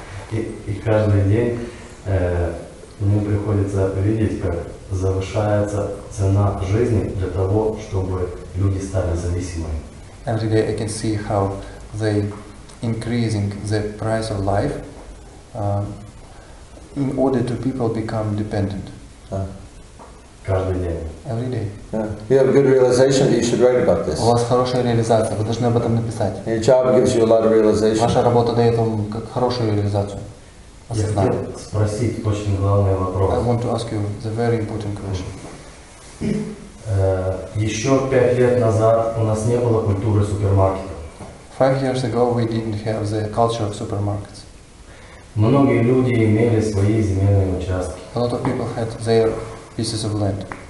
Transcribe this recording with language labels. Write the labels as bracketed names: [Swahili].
[Russian] И каждый день мне приходится видеть, как завышается цена жизни для того, чтобы люди стали зависимыми. [English] Every day I can see how they increasing the price of life in order to people become dependent. Every day. Yeah. You have good realization that you should write about this. [Russian] У вас хорошая реализация, вы должны об этом написать. [English] Your job gives you a lot of realization. [Russian] Ваша работа дает вам хорошую реализацию. Я хотел спросить очень главный вопрос. [English] I want to ask you the very important question. [Russian] Еще 5 лет назад у нас не было культуры супермаркетов. [English] 5 years ago we didn't have the culture of supermarkets. [Russian] Многие люди имели свои земельные участки. [English] A lot of people had their pieces of land.